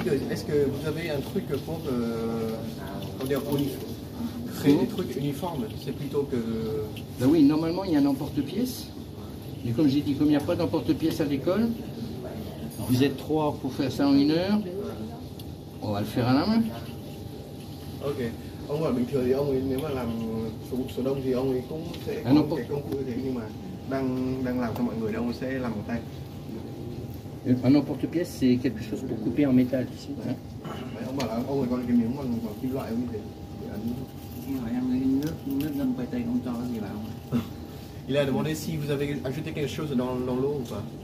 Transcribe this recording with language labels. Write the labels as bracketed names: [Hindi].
[French] Est-ce que vous avez un truc pour dire, créer des trucs uniformes? C'est plutôt que... Ben oui, normalement il y a un emporte-pièce. Mais comme j'ai dit, comme il n'y a pas d'emporte-pièce à l'école, vous êtes trois pour faire ça en une heure. On va le faire à la main. Ok. [Vietnamese] Ông bảo bình thường thì ông ấy nếu mà làm số số đông thì ông ấy cũng sẽ có một cái công cụ như thế, nhưng mà đang làm cho mọi người thì ông sẽ làm một tay. [French] Un emporte-pièce, c'est quelque chose pour couper en métal ici. [Vietnamese] Ông bảo là ông ấy có cái miếng bằng bằng kim loại như thế. [French] Il a demandé si vous avez ajouté quelque chose dans l'eau ou pas.